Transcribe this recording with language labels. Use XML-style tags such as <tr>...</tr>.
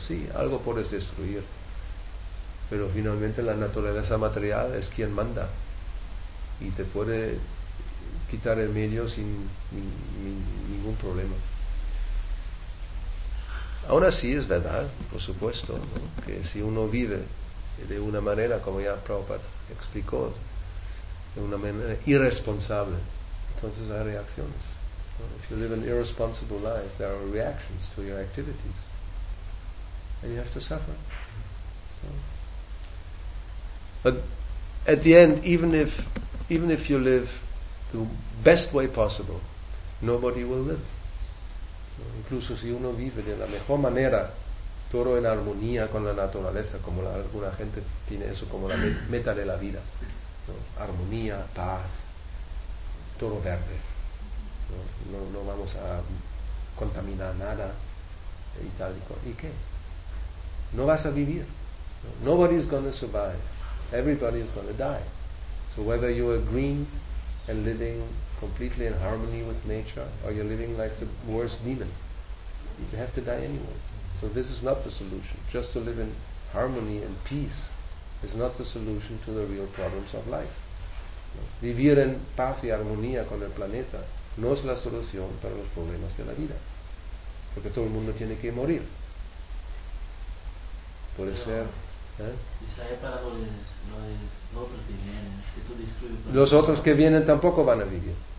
<es>Sí, algo puedes destruir, pero finalmente la naturaleza material es quien manda y te puede quitar el medio sin ningún problema. Aún así es verdad, por supuesto, ¿no?, que si uno vive de una manera, como ya Prabhupada explicó, de una manera irresponsable, entonces hay reacciones.</es> <en>If you live an irresponsible life, there are reactions to your activities, and you have to suffer. So. But at the end, even if you live the best way possible, nobody will live.</en> <es>Incluso si uno vive de la mejor manera, todo en armonía con la naturaleza, como alguna gente tiene eso como la meta de la vida, ¿no? Armonía, paz, todo verde, ¿no? No vamos a contaminar nada y tal. ¿Y qué? No vas a vivir.</es> <en>Nobody is going to survive. Everybody is going to die. So whether you are green and living completely in harmony with nature, or you're living like the worst demon, you have to die anyway. So this is not the solution. Just to live in harmony and peace is not the solution to the real problems of life.</en> <es>Vivir en paz y armonía con el planeta no es la solución para los problemas de la vida, porque todo el mundo tiene que morir. Puede ser. Los otros que vienen tampoco van a vivir.</es>